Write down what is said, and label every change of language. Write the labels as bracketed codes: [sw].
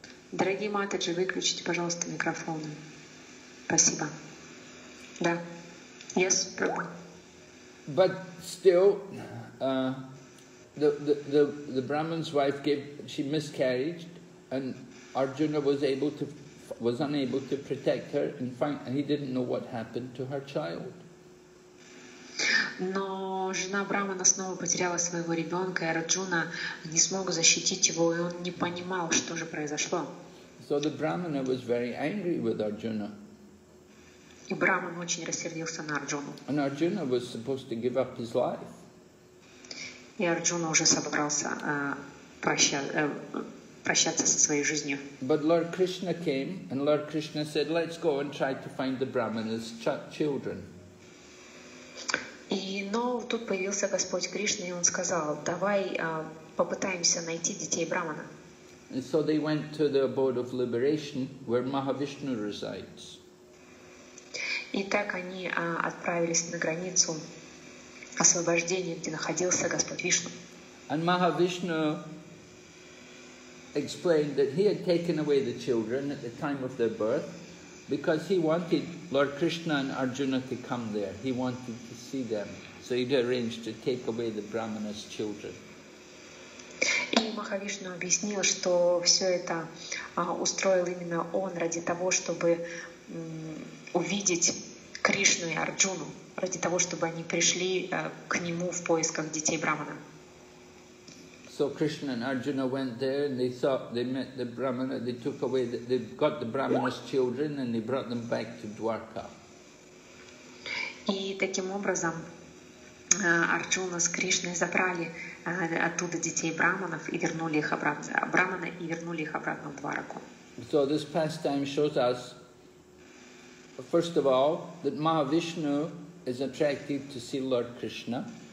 [ru] Дорогие матаджи, выключите, пожалуйста, микрофоны. Спасибо. Да. [en] Yes. But still, the Brahman's wife she miscarried, and Arjuna was unable to protect her, and he didn't know what happened to her child. [ru] Но жена Брахмана снова потеряла своего ребенка, и Арджуна не смог защитить его, и он не понимал, что же произошло. [en] So the Brahmana was very angry with Arjuna. [ru] И Брахман очень рассердился на Арджуну. [en] And Arjuna was supposed to give up his life. [ru] И Арджуна уже собрался прощаться со своей жизнью. [en] But Lord Krishna came, and Lord Krishna said, "Let's go and try to find the Brahmana's children." [ru] И но тут появился Господь Кришна, и он сказал: "Давай попытаемся найти детей Брахмана." [en] And so they went to the abode of liberation, where Mahavishnu resides. [ru] И так они отправились на границу освобождения, где находился Господь Вишну. [en] And Mahavishnu explained that he had taken away the children at the time of their birth because he wanted Lord Krishna and Arjuna to come there. He wanted to see them. So he'd arranged to take away the Brahmana's children. [ru] Махавишну объяснил, что все это устроил именно он ради того, чтобы увидеть Кришну и Арджуну, ради того, чтобы они пришли к нему в поисках детей Брахмана. [en] So Krishna and Arjuna went there, and they saw, they met the Brahmana, they took away, they got the Brahmana's children, and they brought them back to Dwarka. [ru] И таким образом Арджуна с Кришной забрали оттуда детей Брахманов и вернули их обратно. Брахмана и вернули их обратно в Двараку. [en] So this pastime shows us, first of all, that Mahavishnu is attracted to see Lord Krishna.